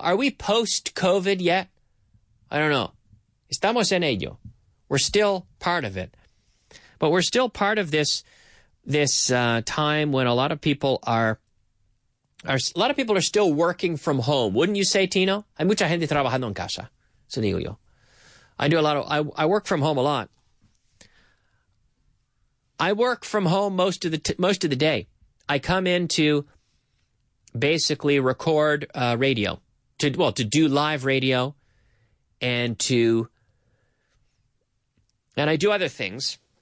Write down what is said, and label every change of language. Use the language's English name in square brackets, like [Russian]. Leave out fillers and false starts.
[English] Are we post COVID yet? I don't know. [Spanish] Estamos en ello. [English] We're still part of it. But we're still part of this time when a lot of people are still working from home, wouldn't you say, Tino? [Spanish] Hay mucha gente trabajando en casa, eso digo yo. [English] I work from home a lot. I work from home most of the day. I come in to basically record radio, to do live radio, and I do other things.